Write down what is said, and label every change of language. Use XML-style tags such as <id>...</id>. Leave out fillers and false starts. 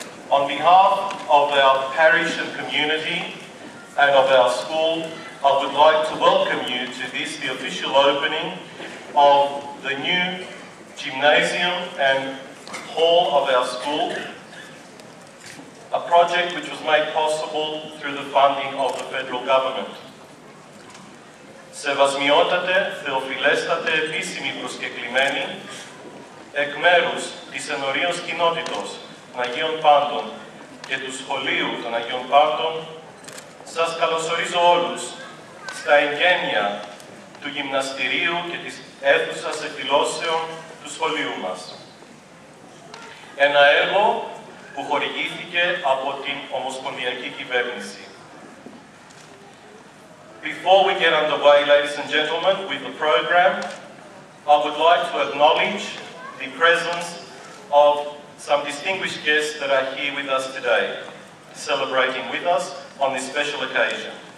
<en>On behalf of our parish and community and of our school, I would like to welcome you to this, the official opening of the new gymnasium and hall of our school, a project which was made possible through the funding of the federal government.</en> <el>Σεβασμιότατε, θεοφιλέστατε, επίσημοι προσκεκλημένοι, εκ μέρους της ενωρίων κοινότητος των Αγίων Πάντων και του σχολείου των Αγίων Πάντων, σας καλωσορίζω όλους στα εγγένεια του γυμναστηρίου και της αίθουσας εκδηλώσεων του σχολείου μας. Ένα έργο που χορηγήθηκε από την Ομοσπονδιακή Κυβέρνηση.</el> <en>Before we get underway, ladies and gentlemen, with the program, I would like to acknowledge the presence of some distinguished guests that are here with us today, celebrating with us on this special occasion.</en>